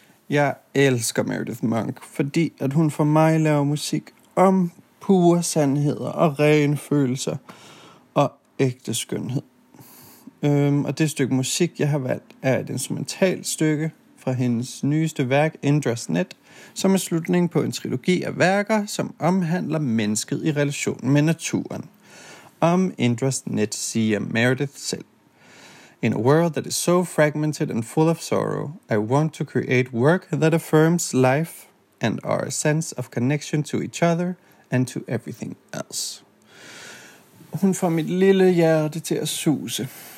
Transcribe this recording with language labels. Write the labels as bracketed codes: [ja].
[da] Jeg elsker Meredith Monk, fordi at hun for mig laver musik om pure sandheder og rene følelser og ægte skønhed. Og det stykke musik, jeg har valgt, er et instrumentalt stykke fra hendes nyeste værk, Indra's Net, som er slutningen på en trilogi af værker, som omhandler mennesket i relation med naturen. Om Indra's Net siger Meredith selv. [en] In a world that is so fragmented and full of sorrow, I want to create work that affirms life and our sense of connection to each other and to everything else. [da] Hun får mit lille hjerte til at suse.